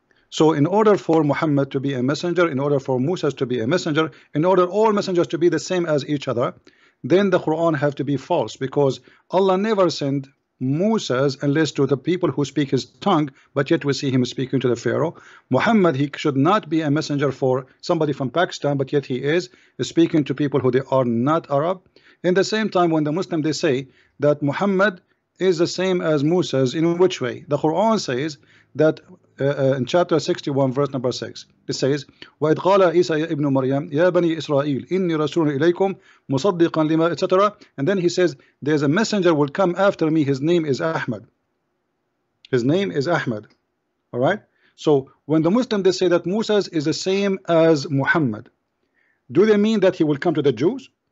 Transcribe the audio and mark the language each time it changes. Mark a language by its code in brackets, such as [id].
[en] So in order for Muhammad to be a messenger, in order for Moses to be a messenger, in order all messengers to be the same as each other, then the Quran have to be false, because Allah never sent Moses unless to the people who speak his tongue, but yet we see him speaking to the Pharaoh. Muhammad, he should not be a messenger for somebody from Pakistan, but yet he is speaking to people who they are not Arab. In the same time, when the Muslim, they say that Muhammad is the same as Moses, in which way? The Quran says that in chapter 61, verse number 6, it says, [ar] وَإِذْ قَالَ إِسَىٰ إِبْنُ مَرْيَمِ يَا بَنِي إِسْرَائِيلِ إِنِّي رَسُولٌ إِلَيْكُمْ مُصَدِّقًا لِمَا etc. [en] And then he says, there's a messenger will come after me. His name is Ahmed. His name is Ahmed. All right? So when the Muslim, they say that Moses is the same as Muhammad, do they mean that he will come to the Jews?